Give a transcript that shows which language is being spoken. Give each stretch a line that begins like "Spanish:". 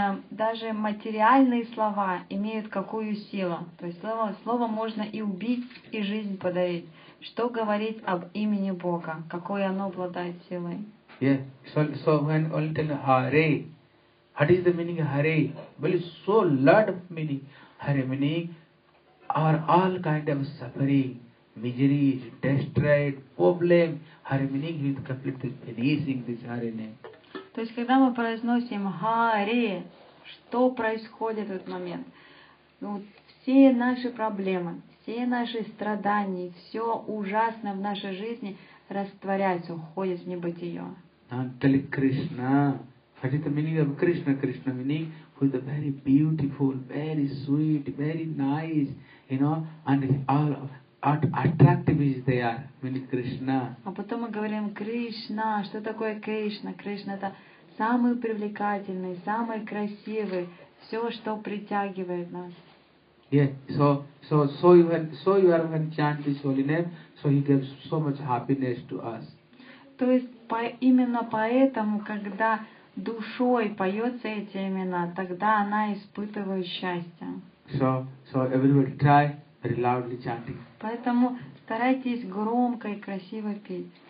Russian: Даже материальные слова имеют какую силу. То есть слово можно и убить, и жизнь подарить. Что говорить об имени Бога? Какой оно обладает силой?
English: Yeah. So when only tell Hare, what is the meaning of Hare? Well, so Lord of meaning. Hare meaning are all kind of suffering, misery, distress, problem. Hare meaning is completely releasing this Hare name.
Russian: То есть, когда мы произносим Hare, что происходит в этот момент? Ну, все наши проблемы, все наши страдания, все ужасное в нашей жизни растворяется, уходит в небытие. Антали Кришна.
English: What is the meaning of Krishna? Krishna meaning who is very beautiful, very sweet, very nice, you know, and all of attractive is there, meaning Krishna.
Russian: А потом мы говорим Кришна. Что такое Кришна? Кришна это самый привлекательный, самый красивый, все, что притягивает нас.
English: Yeah. So you are when chant this holy name, so he gives so much happiness to us.
Russian: То есть именно поэтому, когда душой поется эти имена, тогда она испытывает счастье.
English: So everybody try very loudly chanting.
Russian: Поэтому старайтесь громко и красиво петь.